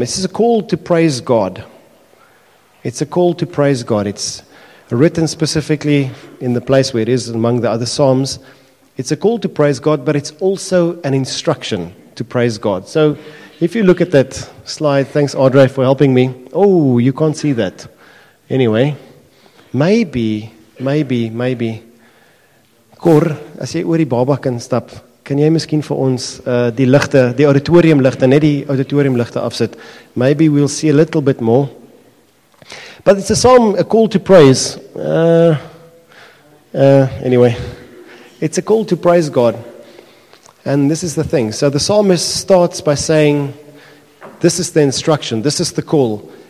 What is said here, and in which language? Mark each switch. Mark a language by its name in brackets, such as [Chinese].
[English] This is a call to praise God. It's a call to praise God. It's written specifically in the place where it is among the other psalms. It's a call to praise God, but it's also an instruction to praise God. So if you look at that slide, thanks, Audrey, for helping me. Oh, you can't see that. Anyway, maybe. [Afrikaans] Cor, as jy oor die baba kan stap, kan jy miskien vir ons die ligte, die auditorium ligte, net die auditorium ligte afsit? [English] Maybe we'll see a little bit more. But it's a psalm, a call to praise. Anyway, it's a call to praise God. And this is the thing. So the psalmist starts by saying, this is the instruction, this is the call.